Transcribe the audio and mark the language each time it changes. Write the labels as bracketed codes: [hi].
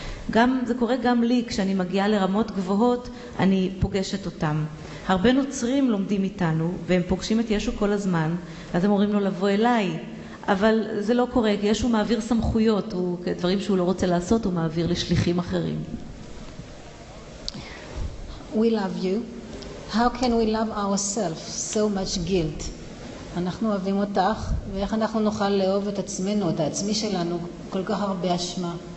[he] גם, זה קורה גם לי, כשאני מגיעה לרמות גבוהות, אני פוגשת אותם. הרבה נוצרים לומדים איתנו, והם פוגשים את ישו כל הזמן, ואז הם אומרים לו לבוא אליי. אבל זה לא קורה, כי ישו מעביר סמכויות, דברים שהוא לא רוצה לעשות, הוא מעביר לשליחים אחרים. [en] We love you. How can we love ourselves so much guilt? [he] אנחנו אוהבים אותך, ואיך אנחנו נוכל לאהוב את עצמנו, את העצמי שלנו, כל כך הרבה אשמה?